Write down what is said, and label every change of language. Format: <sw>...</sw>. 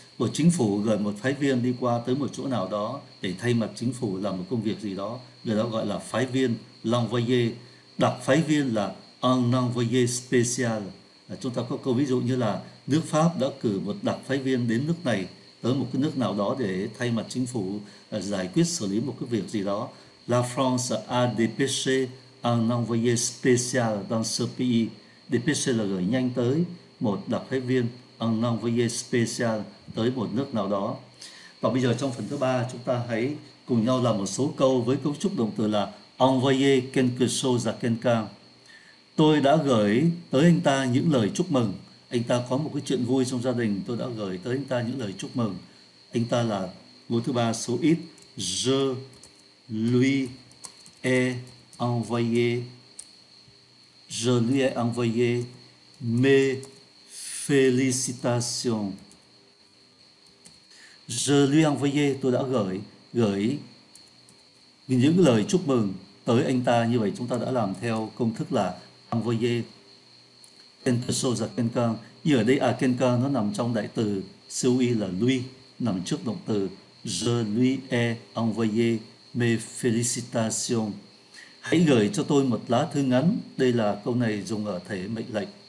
<vi>Của chính phủ gửi một phái viên đi qua tới một chỗ nào đó để thay mặt chính phủ làm một công việc gì đó, người đó gọi là phái viên, l'envoyer. Đặc phái viên là</vi> <fr>un envoyé spécial.</fr> <vi>Chúng ta có câu ví dụ như là nước Pháp đã cử một đặc phái viên đến nước này tới một cái nước nào đó để thay mặt chính phủ giải quyết xử lý một cái việc gì đó.</vi> <fr>La France a dépêché un envoyé spécial dans ce pays.</fr> <vi>Dépêché là gửi nhanh tới, một đặc phái viên,</vi> <fr>un envoyé spécial,</fr> <vi>tới một nước nào đó. Và bây giờ trong phần thứ ba chúng ta hãy cùng nhau làm một số câu với cấu trúc động từ là</vi> <fr>envoyer quelque chose à quelqu'un.</fr> <vi>Tôi đã gửi tới anh ta những lời chúc mừng. Anh ta có một cái chuyện vui trong gia đình, tôi đã gửi tới anh ta những lời chúc mừng. Anh ta là mẫu thứ ba số ít.</vi> <fr>Je lui ai envoyé. Je lui ai envoyé mes félicitations. Je lui ai envoyé,</fr> <vi>tôi đã gửi những lời chúc mừng tới anh ta. Như vậy chúng ta đã làm theo công thức là</vi> <fr>envoyer quelque chose à quelqu'un.</fr> <vi>Như ở đây</vi> <fr>à quelqu'un</fr> <vi>nó nằm trong đại từ, COD là lui, nằm trước động từ.</vi> <fr>Je lui ai envoyé mes félicitations.</fr> <vi>Hãy gửi cho tôi một lá thư ngắn. Đây là câu này dùng ở thể mệnh lệnh.</vi>